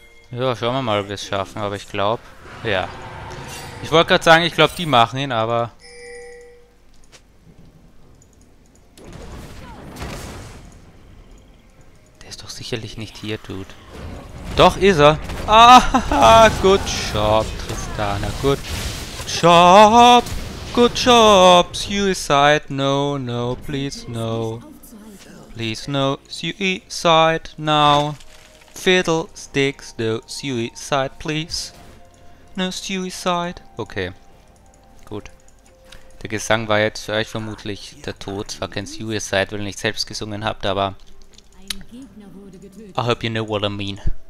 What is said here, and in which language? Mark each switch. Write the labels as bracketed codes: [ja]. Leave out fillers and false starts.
[de] Ja, schauen wir mal, ob wir es schaffen, aber ich glaube, ja. Ich wollte gerade sagen, ich glaube, die machen ihn, aber... Der ist doch sicherlich nicht hier, Dude. Doch, ist er. [en] Ah, good job, Tristana, good job. Good job, suicide, no, no, please, no. Please, no, suicide, now. Fiddlesticks, no suicide, please. No suicide. Okay. Gut. [de] Der Gesang war jetzt für euch vermutlich der Tod. Es war kein Suicide, weil ihr nicht selbst gesungen habt, aber. [en] I hope you know what I mean.